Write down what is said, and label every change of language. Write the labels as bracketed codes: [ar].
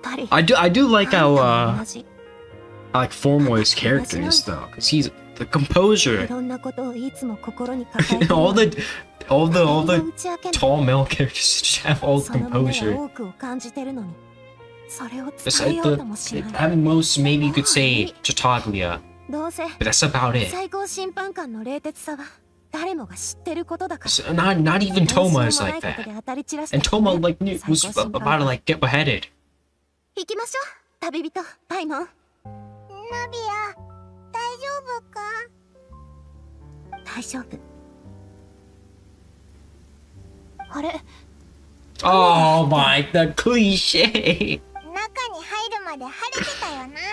[en] I do like how, like, Formoy's character is, though, because he's the composure. all the tall male characters have all the composure. It's like the, at most, maybe you could say Chitaglia. [ja] どうせ [en] But that's about it. [ja] 最高審判官の冷徹さは誰もが知ってることだから。 [en] Not even Toma is like that. And Toma like knew was about to like get beheaded. [ja] 行きましょう、旅人、パイモン。ナビア、大丈夫か？大丈夫。あれ。 [en] Oh my, the cliche. [ja] 中に入るまで晴れてたよな。